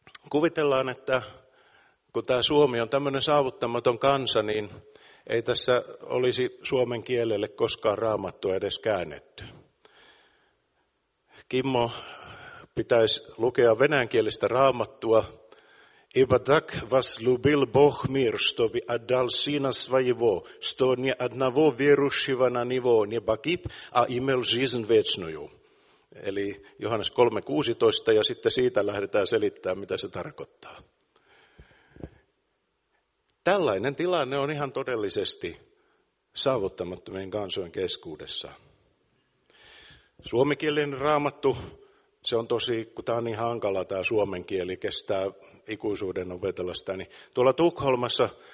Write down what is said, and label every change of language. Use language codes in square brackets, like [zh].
[fi] Kuvitellaan, että kun tämä Suomi on tämmöinen saavuttamaton kansa, niin ei tässä olisi suomen kielelle koskaan raamattua edes käännetty. Kimmo pitäisi lukea venäjänkielistä raamattua. [ru] Ибо так возлюбил Бог мир, чтобы отдал Сына Своего, что ни одного верующего на Него не погиб, а имел жизнь вечную. [fi] Eli Johannes 3:16, ja sitten siitä lähdetään selittämään, mitä se tarkoittaa. Tällainen tilanne on ihan todellisesti saavuttamattomien kansojen keskuudessa. Suomenkielinen raamattu, se on tosi, kun tämä on niin hankala tämä suomen kieli, kestää ikuisuuden opetella sitä, niin tuolla Tukholmassa